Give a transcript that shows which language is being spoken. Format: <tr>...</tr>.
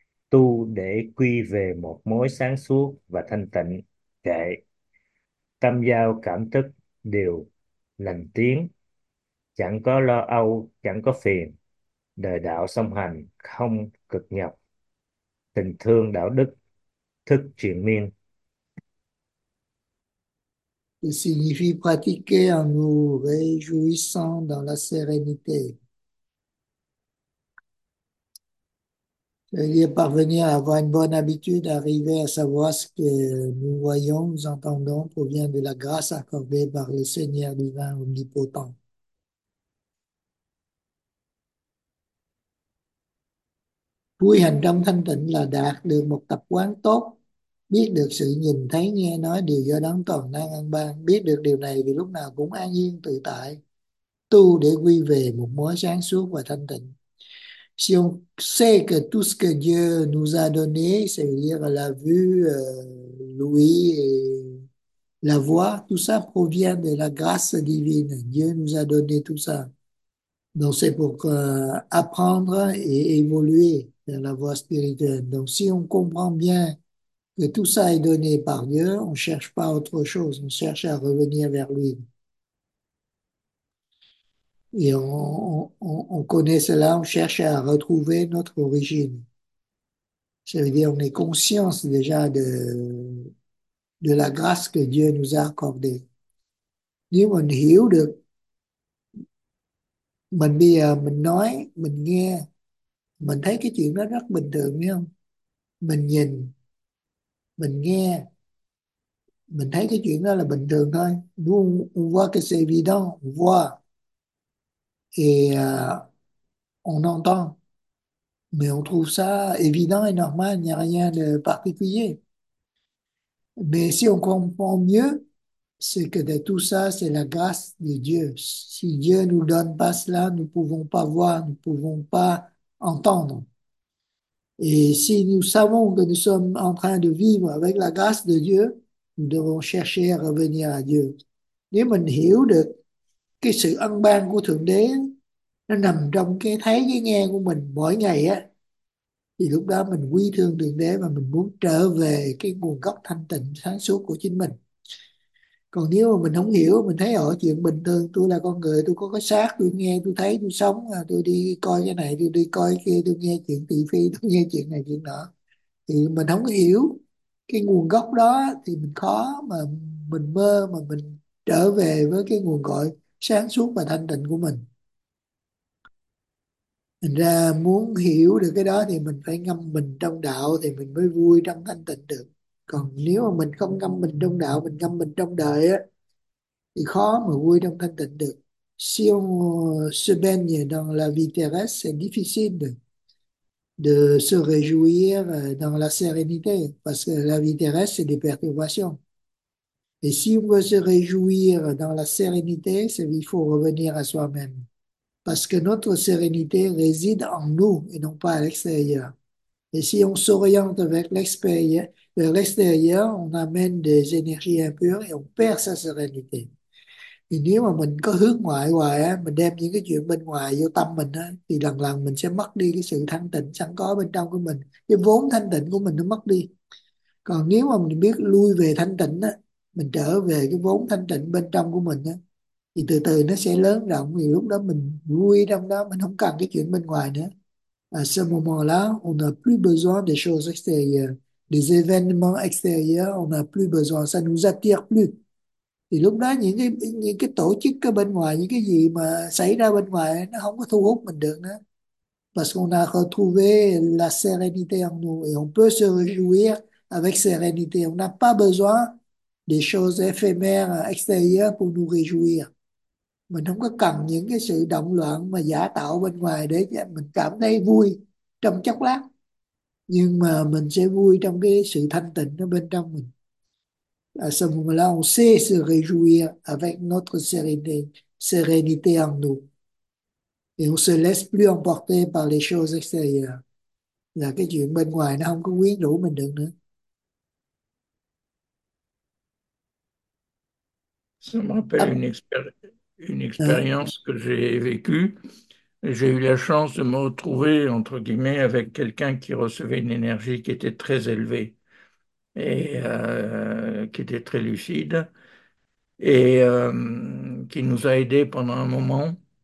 <vi>Tu để quy về một mối sáng suốt và thanh tịnh, kệ tâm giao cảm thức đều lành tiếng, chẳng có lo âu, chẳng có phiền. đời đạo song hành không cực nhọc, tình thương đạo đức thức triền miên.</vi> <fr>signifie pratiquer en nous réjouissant dans la sérénité. C'est-à-dire parvenir à avoir une bonne habitude, arriver à savoir ce que nous voyons, nous entendons, provient de la grâce accordée par le Seigneur divin omnipotent. Puis</fr> <vi>hành trong thanh tịnh là đạt được một tập quán tốt, biết được sự nhìn thấy nghe nói đều do đấng toàn năng an ban, biết được điều này thì lúc nào cũng an nhiên tự tại, tu để quy về một mối sáng suốt và thanh tịnh.</vi> <fr>Si on sait que tout ce que Dieu nous a donné, c'est-à-dire la vue, l'ouïe, la voix, tout ça provient de la grâce divine. Dieu nous a donné tout ça. Donc c'est pour apprendre et évoluer vers la voie spirituelle. Donc si on comprend bien que tout ça est donné par Dieu, on ne cherche pas autre chose, on cherche à revenir vers lui. Et on connaît cela, on cherche à retrouver notre origine. Ça veut dire qu'on est conscience déjà de la grâce que Dieu nous a accordée.</fr> <vi>Nếu mình hiểu được, mình bây giờ mình nói, mình nghe, mình thấy cái chuyện đó rất bình thường, phải không? Mình nhìn, mình nghe, mình thấy cái chuyện đó là bình thường thôi.</vi> <fr>Nous, on voit que c'est évident, on voit. Et on entend, mais on trouve ça évident et normal, il n'y a rien de particulier. Mais si on comprend mieux, c'est que de tout ça, c'est la grâce de Dieu. Si Dieu nous donne pas cela, nous pouvons pas voir, nous pouvons pas entendre. Et si nous savons que nous sommes en train de vivre avec la grâce de Dieu, nous devons chercher à revenir à Dieu.</fr> <vi>Nếu mình hiểu được cái sự ân ban của Thượng Đế nó nằm trong cái thấy cái nghe của mình mỗi ngày á, thì lúc đó mình quy thương Thượng Đế và mình muốn trở về cái nguồn gốc thanh tịnh sáng suốt của chính mình. Còn nếu mà mình không hiểu, mình thấy ở chuyện bình thường, tôi là con người, tôi có cái xác, tôi nghe, tôi thấy, tôi sống, tôi đi coi cái này, tôi đi coi cái kia, tôi nghe chuyện thị phi, tôi nghe chuyện này chuyện nọ, thì mình không hiểu cái nguồn gốc đó thì mình khó mà mình mơ mà mình trở về với cái nguồn cội sáng suốt và thanh tịnh của mình. Thành ra muốn hiểu được cái đó thì mình phải ngâm mình trong đạo thì mình mới vui trong thanh tịnh được. Còn nếu mà mình không ngâm mình trong đạo, mình ngâm mình trong đời á, thì khó mà vui trong thanh tịnh được.</vi> <fr>Si on se baigne dans la vie terrestre, c'est difficile de se réjouir dans la sérénité, parce que la vie terrestre, c'est des perturbations. Et si on veut se réjouir dans la sérénité, c'est qu'il faut revenir à soi-même. Parce que notre sérénité réside en nous et non pas à l'extérieur. Et si on s'oriente vers l'extérieur, on amène des énergies impures et on perd sa sérénité. Et</fr> <vi>nếu mà mình có hướng ngoại hoài á, mình đem những cái chuyện bên ngoài vô tâm mình á, thì lần lần mình sẽ mất đi cái sự thanh tịnh sẵn có bên trong của mình. Cái vốn thanh tịnh của mình nó mất đi. Còn nếu mà mình biết lui về thanh tịnh á, mình trở về cái vốn thanh tịnh bên trong của mình á, thì từ từ nó sẽ lớn rộng, thì lúc đó mình vui trong đó, mình không cần cái chuyện bên ngoài nữa.</vi> <fr>À ce moment-là, on n'a plus besoin des choses extérieures, des événements extérieurs, on n'a plus besoin, ça nous attire plus.</fr> <vi>Thì lúc đó những cái tổ chức ở bên ngoài, những cái gì mà xảy ra bên ngoài nó không có thu hút mình được nữa.</vi> <fr>Parce qu'on a retrouvé la sérénité en nous et on peut se réjouir avec sérénité. On n'a pas besoin des choses éphémères extérieures pour nous réjouir.</fr> <vi>Mình không có cần những cái sự động loạn mà giả tạo bên ngoài để mình cảm thấy vui trong chốc lát. Nhưng mà mình sẽ vui trong cái sự thanh tịnh ở bên trong mình.</vi> <fr>À, ce moment-là, on sait se réjouir avec notre sérénité en nous. Et on se laisse plus emporter par les choses extérieures.</fr> <vi>Là cái chuyện bên ngoài nó không có quyến rũ mình được nữa.</vi> <fr>Ça me rappelle une expérience que j'ai vécue. J'ai eu la chance de me retrouver, entre guillemets, avec quelqu'un qui recevait une énergie qui était très élevée et qui était très lucide et qui nous a aidés pendant un moment.</fr>